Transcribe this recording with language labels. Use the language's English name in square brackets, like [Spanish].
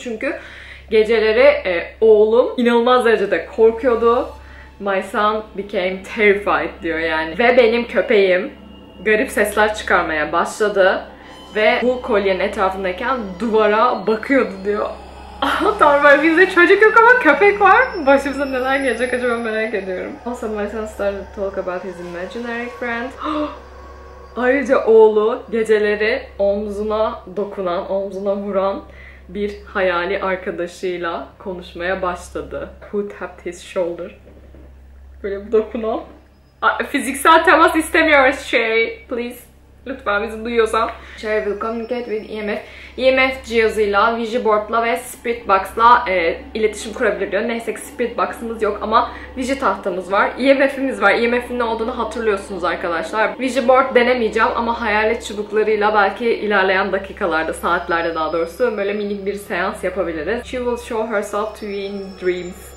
[Turkish] Çünkü geceleri oğlum inanılmaz derecede korkuyordu. [English] My son became terrified [Turkish] diyor yani. Ve benim köpeğim garip sesler çıkarmaya başladı. Ve bu kolyenin etrafındayken duvara bakıyordu diyor. Tamam, var bizde çocuk yok ama köpek var. Başımıza neler gelecek acaba merak ediyorum. [English] Also my son started to talk about his imaginary friend. [Turkish] Ayrıca oğlu geceleri omzuna dokunan, omzuna vuran bir hayali arkadaşıyla konuşmaya başladı. [English] Who tapped his shoulder? [Turkish] Böyle bir dokunalım. Fiziksel temas istemiyoruz şey. [English] Please. [Turkish] Lütfen bizi duyuyorsan. [English] Share will communicate with EMF. [Turkish] EMF cihazıyla, Vision Board'la ve Spirit Box'la iletişim kurabilir diyor. Neyse ki Spirit Box'ımız yok ama Vision tahtamız var. EMF'imiz var. EMF'in ne olduğunu hatırlıyorsunuz arkadaşlar. Vision Board denemeyeceğim ama hayalet çubuklarıyla belki ilerleyen dakikalarda, saatlerde daha doğrusu böyle minik bir seans yapabiliriz. [English] She will show herself to you in dreams.